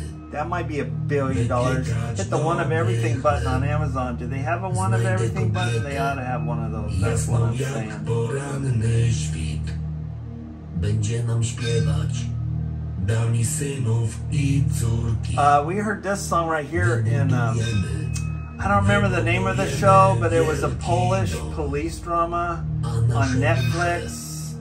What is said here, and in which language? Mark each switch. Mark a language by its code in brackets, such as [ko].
[en] That might be $1 billion. Hit the one of everything button on Amazon. Do they have a one of everything button? They ought to have one of those. That's what I'm saying. [pl] Poranny świt będzie nam śpiewać, da mi synów I córki. [en] We heard this song right here in, I don't remember the name of the show, but it was a Polish police drama on Netflix.